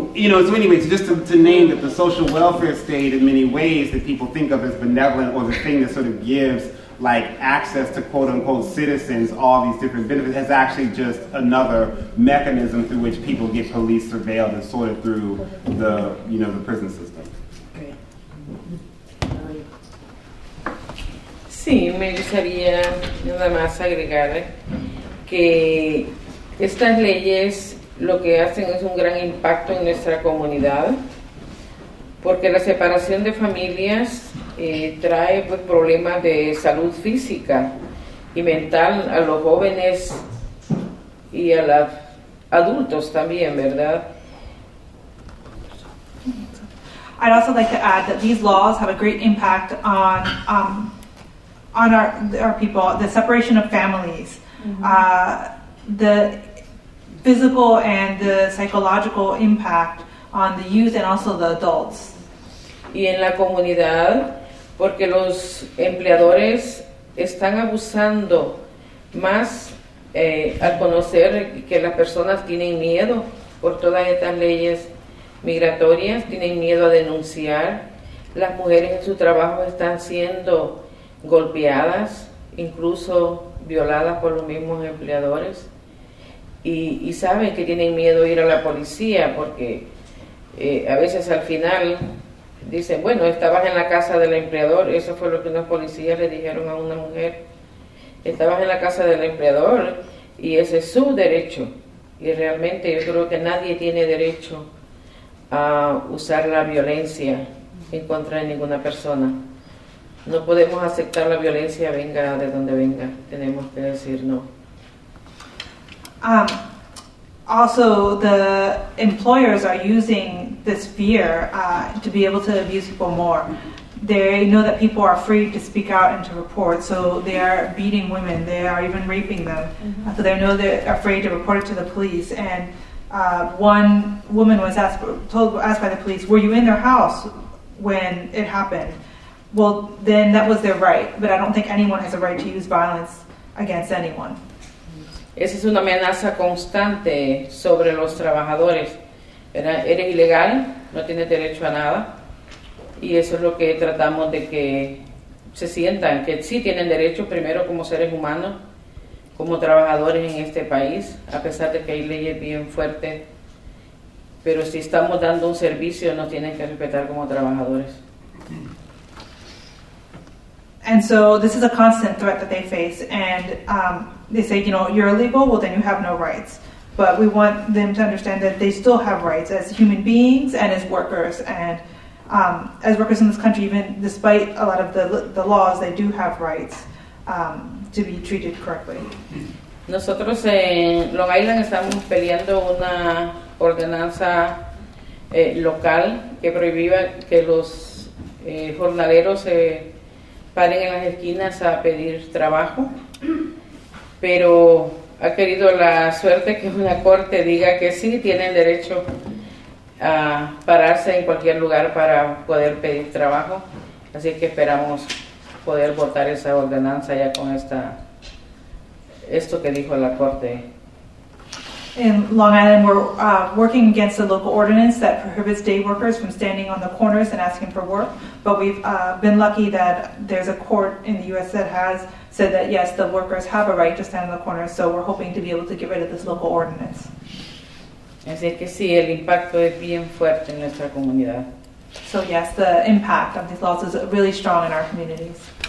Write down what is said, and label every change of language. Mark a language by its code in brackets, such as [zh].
[en] So, just to name that, the social welfare state in many ways that people think of as benevolent, or the thing that sort of gives, like, access to quote-unquote citizens all these different benefits, has actually just another mechanism through which people get police surveilled and sorted through the, you know, the prison system. [es] Sí, me gustaría nada más agregar que estas leyes lo que hacen es un gran impacto en nuestra comunidad, porque la separación de familias trae pues problemas de salud física y mental a los jóvenes y a los adultos también, ¿verdad? [en] I'd also like to add that these laws have a great impact on our people, the separation of families, mm-hmm. The physical and the psychological impact on the youth and also the adults. [es] Y en la comunidad, porque los empleadores están abusando más al conocer que las personas tienen miedo por todas estas leyes migratorias, tienen miedo a denunciar. Las mujeres en su trabajo están siendo golpeadas, incluso violadas por los mismos empleadores. Y saben que tienen miedo ir a la policía porque a veces al final dicen, bueno, estabas en la casa del empleador. Eso fue lo que unos policías le dijeron a una mujer. Estabas en la casa del empleador y ese es su derecho. Y realmente yo creo que nadie tiene derecho a usar la violencia en contra de ninguna persona. No podemos aceptar la violencia, venga de donde venga. Tenemos que decir no. [en] Also, the employers are using this fear to be able to abuse people more. They know that people are afraid to speak out and to report, so they are beating women, they are even raping them. Mm-hmm. So they know they're afraid to report it to the police. And one woman was asked by the police, were you in their house when it happened? Well, then that was their right, but I don't think anyone has a right to use violence against anyone. [es] Esa es una amenaza constante sobre los trabajadores, ¿verdad? Eres ilegal, no tienes derecho a nada, y eso es lo que tratamos de que se sientan, que sí tienen derecho primero como seres humanos, como trabajadores en este país, a pesar de que hay leyes bien fuertes, pero si estamos dando un servicio nos tienen que respetar como trabajadores. [en] And so this is a constant threat that they face, and they say, you know, you're illegal, well then you have no rights. but we want them to understand that they still have rights as human beings and as workers. And as workers in this country, even despite a lot of the laws, they do have rights to be treated correctly. [es] Nosotros en Long Island estamos peleando una ordenanza local que prohíba que los jornaleros se paren en las esquinas a pedir trabajo, pero ha querido la suerte que una corte diga que sí, tiene el derecho a pararse en cualquier lugar para poder pedir trabajo, así que esperamos poder votar esa ordenanza ya con esta esto que dijo la corte. [en] In Long Island, we're working against a local ordinance that prohibits day workers from standing on the corners and asking for work. But we've been lucky that there's a court in the U.S. that has said that, yes, the workers have a right to stand on the corners. So we're hoping to be able to get rid of this local ordinance. [es] Así que sí, el impacto es bien fuerte en nuestra comunidad. [en] So yes, the impact of these laws is really strong in our communities.